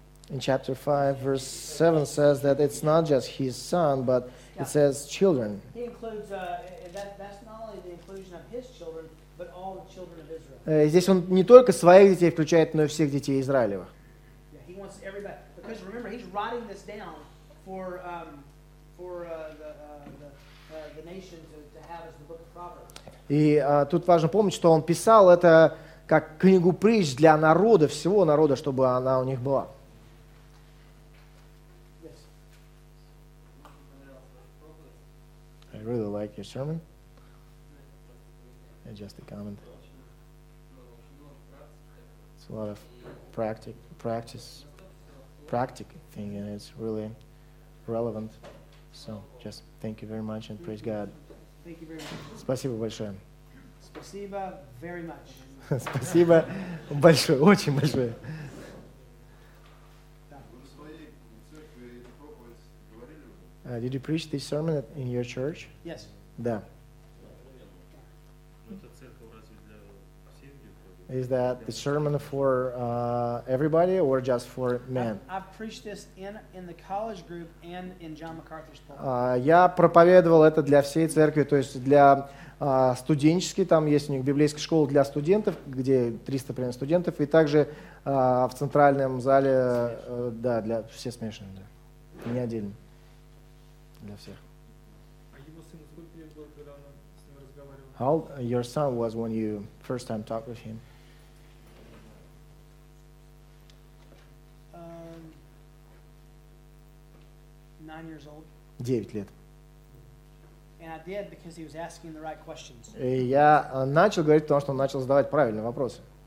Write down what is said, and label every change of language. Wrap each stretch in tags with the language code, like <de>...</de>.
<en>In chapter 5, verse 7 says that it's not just his son, but it says children. He includes, that's not only the inclusion of his children, but all the children of Israel.</en> <ru>Здесь он не только своих детей включает, но и всех детей Израилева.</ru> <en>Yeah, he wants everybody, because remember, he's writing this down for the nation to have as the book of Proverbs.</en> <ru>И тут важно помнить, что он писал это как книгу притч для народа, всего народа, чтобы она у них была.</ru> <en>I really like your sermon. Just a comment. It's a lot of practical thing, and it's really relevant. So just thank you very much and praise God. Thank you very much.</en> <ru>Спасибо большое.</ru> <en>Спасибо very much.</en> <ru>Спасибо большое, очень большое.</ru> <en>Did you preach this sermon in your church? Yes.</en> <ru>Да.</ru> <en>Is that the sermon for everybody or just for men? I've preached this in the college group and in John MacArthur's pulpit.</en> <ru>Я проповедовал это для всей церкви, то есть для студенческой, там есть у них библейская школа для студентов, где 300 примерно студентов, и также в центральном зале, да, для всех смешанных, да. Не отдельно, для всех. А его сын сколько лет был, когда он с ним разговаривал?</ru> <en>How old your son was when you first time talked with him? Nine years old.</en> <ru>9 лет.</ru> <en>And I did because he was asking the right questions.</en> <ru>И я начал говорить, потому что он начал задавать правильные вопросы.</ru>